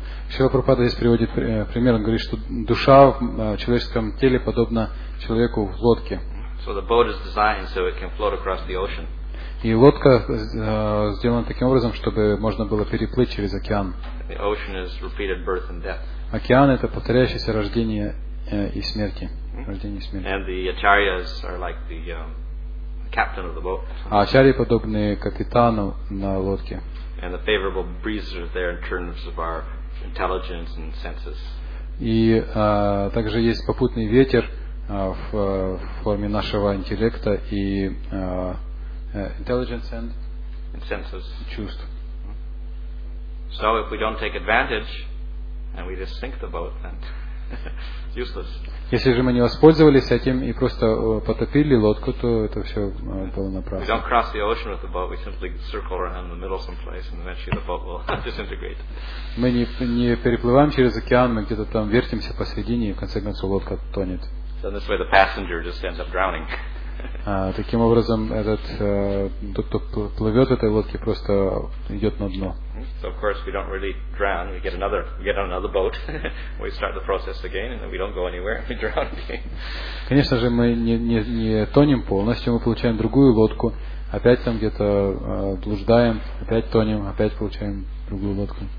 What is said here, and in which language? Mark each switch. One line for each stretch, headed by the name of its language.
Russian: Шрила Прабхупада здесь приводит пример. Он говорит, что душа в человеческом теле подобна человеку в лодке.
English: So the boat is designed so it can float across the ocean.
Russian: И лодка сделана таким образом, чтобы можно было переплыть через океан.
English: The ocean is repeated birth and death.
Russian: Океан — это повторяющееся рождение и смерти. Рождение и смерти.
English: And the acharyas are like the captain of the boat.
Russian: А ачарьи подобны капитану на лодке.
English: And the favorable breezes are there in terms of our intelligence and senses.
Russian: И также есть попутный ветер в форме нашего интеллекта и intelligence
English: and senses.
Russian: Чувств.
English: So if we don't take advantage and we just sink the boat, then it's useless.
Russian: Если же мы не воспользовались этим и просто потопили лодку, то это все было напрасно.
English: We don't cross the ocean with the boat. We simply circle around the middle someplace, and eventually the boat will disintegrate.
Russian: Мы не переплываем через океан, мы где-то там вертимся посередине, и в конце концов лодка тонет.
English: So this way the passenger just ends up drowning.
Russian: Таким образом, этот тот, кто плывет в этой лодке, просто идет на дно.
English: So of course we don't really drown. We get on another boat. We start the process again, and we don't go anywhere. We drown again.
Russian: Конечно же, мы не тонем полностью. Мы получаем другую лодку. Опять там где-то блуждаем. Опять тонем. Опять получаем другую лодку.